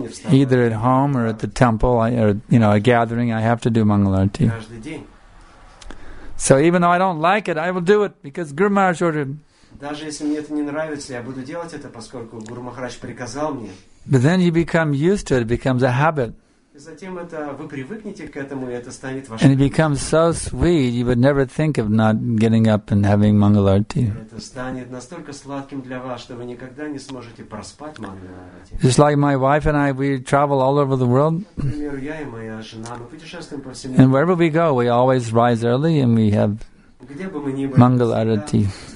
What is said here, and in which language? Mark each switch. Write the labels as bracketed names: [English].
[English] Either at home or at the temple, or a gathering, I have to do Mangalarti. So even though I don't like it, I will do it, because Guru Maharaj ordered. [Russian] Даже если мне это не нравится, я буду делать это, поскольку Гуру Махарадж приказал мне. [English] But then you become used to it, it becomes a habit. [Russian] И затем это, вы привыкнете к этому, и это станет вашим. [English] And it becomes so sweet, you would never think of not getting up and having Mangalarti. [Russian] Это станет настолько сладким для вас, что вы никогда не сможете проспать Мангаларти. [English] Just like my wife and I, we travel all over the world. [Russian] Например, я и моя жена, мы путешествуем по всему. [English] And wherever we go, we always rise early and we have Mangalarati.